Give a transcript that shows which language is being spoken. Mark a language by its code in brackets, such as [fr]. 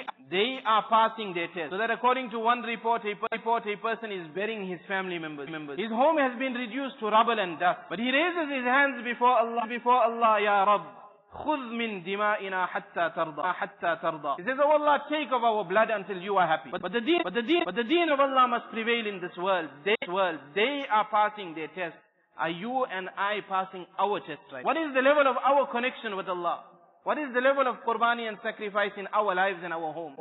[en] They are passing their test. So that according to one report, a person is burying his family members. His home has been reduced to rubble and dust. But he raises his hands before Allah, Ya Rabb. [ar] خذ من دمائنا حتى ترضى حتى ترضى. [en] He says, oh Allah, take of our blood until you are happy. But the deen of Allah must prevail in this world. They are passing their test. Are you and I passing our test right? What is the level of our connection with Allah? What is the level of qurbani and sacrifice in our lives and our home?